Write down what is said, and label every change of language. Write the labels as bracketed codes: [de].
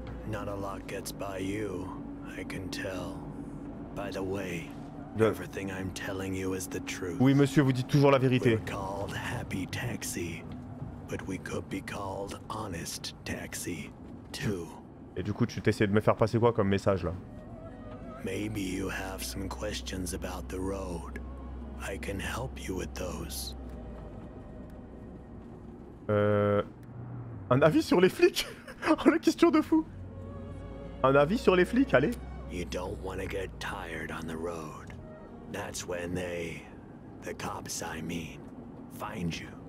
[en] Not a lot gets by you, I can tell. By the way, everything I'm telling you is the truth. [fr] Oui, monsieur, vous dites toujours la vérité. [en] We're called Happy Taxi, but we could be called Honest Taxi, too. [fr] Et du coup, tu t'essayes de me faire passer quoi comme message, là? [en] Maybe you have some questions about the road. I can help you with those. [fr] Un avis sur les flics? Oh, la question de fou! Un avis sur les flics, allez! [en] You don't want to get tired on the road. That's when they, the cops I mean, find you.